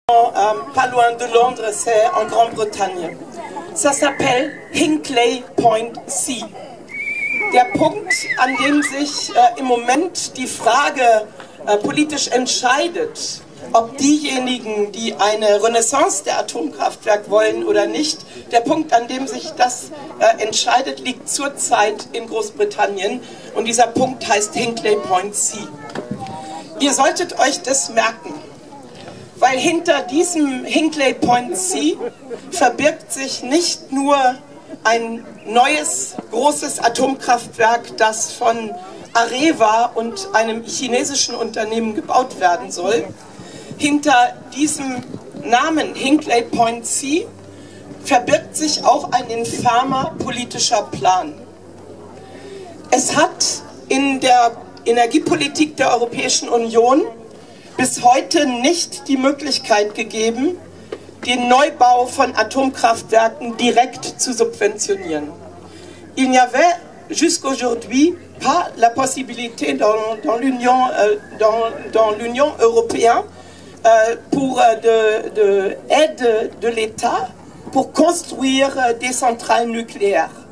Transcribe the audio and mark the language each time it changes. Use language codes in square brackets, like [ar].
[fr] pas loin de Londres, c'est en Grande-Bretagne. Ça s'appelle Hinkley Point C. [de] Der Punkt, an dem sich im Moment die Frage politisch entscheidet, ob diejenigen, die eine Renaissance der Atomkraftwerke wollen oder nicht, der Punkt, an dem sich das entscheidet, liegt zurzeit in Großbritannien. Und dieser Punkt heißt Hinkley Point C. Ihr solltet euch das merken, weil hinter diesem Hinkley Point C verbirgt sich nicht nur ein neues, großes Atomkraftwerk, das von Areva und einem chinesischen Unternehmen gebaut werden soll. Hinter diesem Namen Hinkley Point C verbirgt sich auch ein infamer politischer Plan. Es hat in der Energiepolitik der Europäischen Union bis heute nicht die Möglichkeit gegeben, den Neubau von Atomkraftwerken direkt zu subventionieren. [fr] Il n'y avait jusqu'aujourd'hui pas la possibilité dans l'Union européenne pour de aide de l'État pour construire des centrales nucléaires.